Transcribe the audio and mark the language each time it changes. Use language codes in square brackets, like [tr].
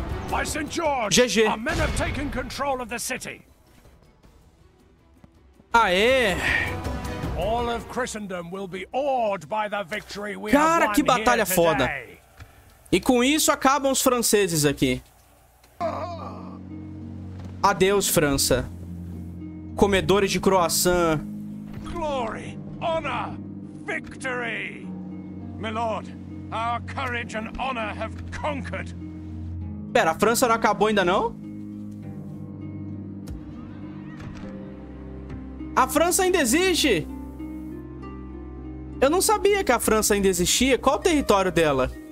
[en] By St. George, GG. Our men have taken control of the city. Aê! All of Christendom will be awed by the victory we have won here today. [pt] Cara, que batalha foda. E com isso acabam os franceses aqui. Adeus, França. Comedores de croissant. [en] Glory, honor, victory. My lord, our courage and honor have conquered. [pt] Pera, a França não acabou ainda não? A França ainda existe? Eu não sabia que a França ainda existia. Qual o território dela?